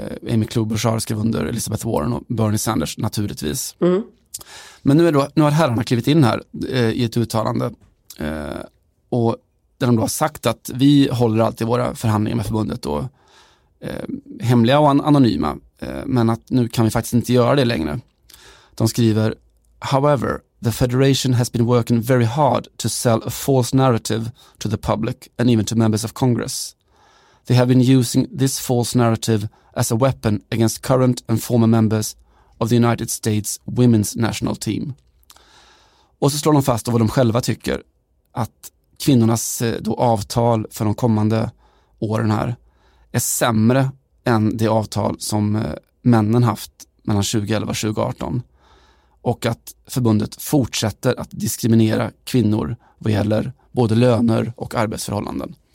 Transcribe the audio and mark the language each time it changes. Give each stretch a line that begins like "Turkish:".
Swedish: Amy Klobuchar skrev under, Elizabeth Warren och Bernie Sanders naturligtvis. Mm. Men nu har herrarna klivit in här i ett uttalande och där de då har sagt att vi håller alltid våra förhandlingar med förbundet då, hemliga och anonyma, men att nu kan vi faktiskt inte göra det längre. De skriver:
English: however, the federation has been working very hard to sell a false narrative to the public and even to members of Congress. They have been using this false narrative as a weapon against current and former members of the United States women's national team.
Swedish: Och så slår de fast vad de själva tycker, att kvinnornas då avtal för de kommande åren här är sämre än det avtal som männen haft mellan 2011 och 2018. Och att förbundet fortsätter att diskriminera kvinnor vad gäller både löner och arbetsförhållanden.